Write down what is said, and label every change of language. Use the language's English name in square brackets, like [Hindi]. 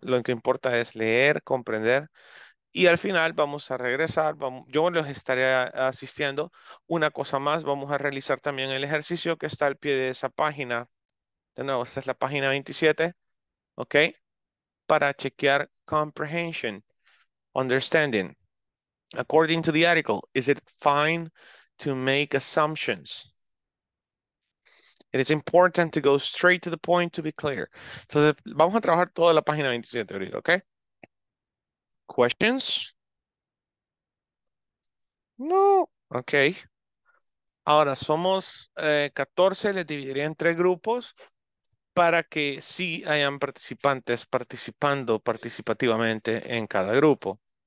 [Spanish] Lo que importa es leer, comprender. Y al final vamos a regresar. Yo los estaré asistiendo. Una cosa más, vamos a realizar también el ejercicio que está al pie de esa página. De nuevo, esta es la página 27. ¿Ok? para chequear [English] comprehension, understanding. According to the article, is it fine to make assumptions? It is important to go straight to the point to be clear. [Spanish] Entonces, vamos a trabajar toda la página 27 ahorita, ¿ok? [English] Questions? [Spanish] No. Ok. Ahora, somos 14, les dividiría en tres grupos para que sí hayan participantes participando participativamente en cada grupo.